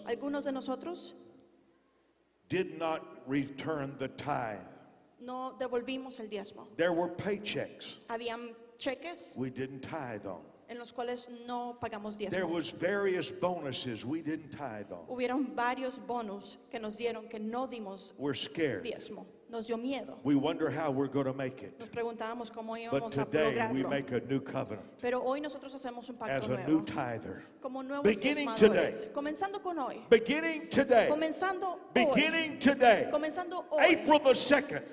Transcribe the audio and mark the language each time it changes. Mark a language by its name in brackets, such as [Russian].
[Spanish] Algunos de nosotros. [English] Did not return the tithe. [Spanish] No devolvimos el diezmo. [English] There were paychecks. [Spanish] Habían cheques. [English] We didn't tithe on. [Spanish] En los cuales no pagamos diezmo. [English] There was various bonuses we didn't tithe on. [Spanish] Hubieron varios bonos que nos dieron que no dimos [English] we're scared. [Spanish] Diezmo. Nos dio miedo. [English] We wonder how we're going to make it. [Spanish] Nos preguntábamos cómo íbamos [English] but today a we make a new covenant. [Spanish] Pero hoy nosotros hacemos un pacto [English] as a [Spanish] nuevo. [English] New tither. [Spanish] Como nuevos [English] beginning [Spanish] diezmadores. [English] Today. [Spanish] Comenzando con hoy. [English] Beginning today. [Spanish] Comenzando hoy. [English] Beginning today. [Spanish] Comenzando hoy. [English] April the 2nd.